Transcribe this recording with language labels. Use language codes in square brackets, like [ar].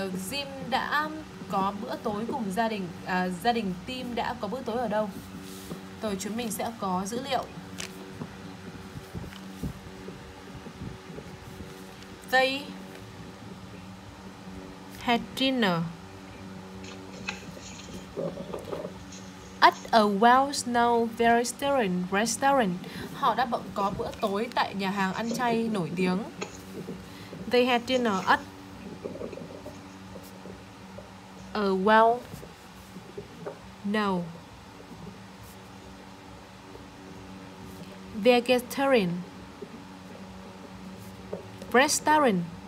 [vi] Jim đã có bữa tối cùng gia đình. Gia đình Tim đã có bữa tối ở đâu? Rồi chúng mình sẽ có dữ liệu. [en] They had dinner at a well-known vegetarian restaurant. [vi] Họ đã có bữa tối tại nhà hàng ăn chay nổi tiếng. [en] They had dinner at a well-known vegetarian restaurant.